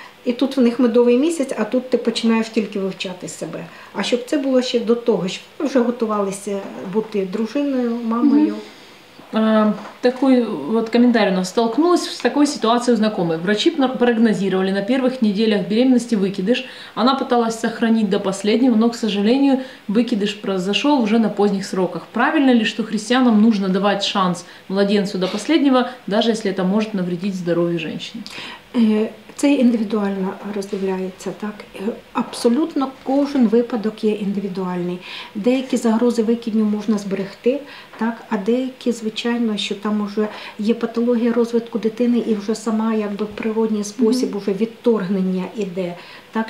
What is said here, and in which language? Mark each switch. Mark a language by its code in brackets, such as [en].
[uk] І тут в них медовий місяць, а тут ти починаєш тільки вивчати себе. А щоб це було ще до того, щоб ми вже готувалися бути дружиною, мамою. Mm-hmm. [ru] Такой вот комментарий у нас. Столкнулась с такой ситуацией у знакомой. Врачи прогнозировали на первых неделях беременности выкидыш. Она пыталась сохранить до последнего, но, к сожалению, выкидыш произошел уже на поздних сроках. Правильно ли, что христианам нужно давать шанс младенцу до последнего, даже если это может навредить здоровью женщины? [uk] Це індивідуально роздивляється, так? Абсолютно кожен випадок є індивідуальний. Деякі загрози викидню можна зберегти, так? А деякі, звичайно, що там вже є патологія розвитку дитини і вже сама якби в природній спосіб вже відторгнення іде, так?